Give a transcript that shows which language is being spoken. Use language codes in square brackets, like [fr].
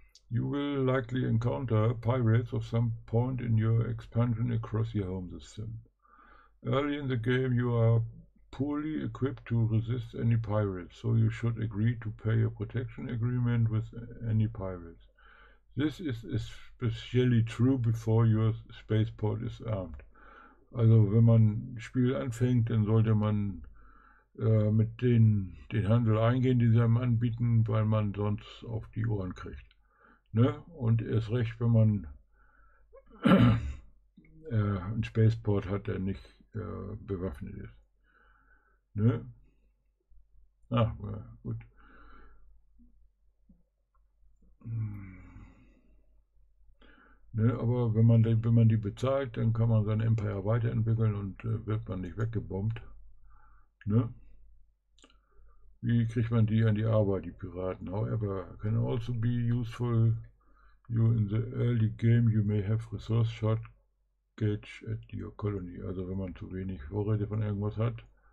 [en] You will likely encounter pirates of some point in your expansion across your home system. Early in the game, you are poorly equipped to resist any pirates, so you should agree to pay a protection agreement with any pirates. This is especially true before your spaceport is armed. [de] Also, wenn man ein Spiel anfängt, dann sollte man mit denen den Handel eingehen, die sie einem anbieten, weil man sonst auf die Ohren kriegt. Ne? Und erst recht, wenn man einen Spaceport hat, der nicht bewaffnet ist. Ne? Ach, gut. Ne, aber wenn man die bezahlt, dann kann man sein Empire weiterentwickeln und wird man nicht weggebombt. Ne? Wie kriegt man die an die Arbeit, die Piraten? [en] However, can also be useful. You in the early game, you may have resource short gauge at your colony. [de] Also wenn man zu wenig Vorräte von irgendwas hat.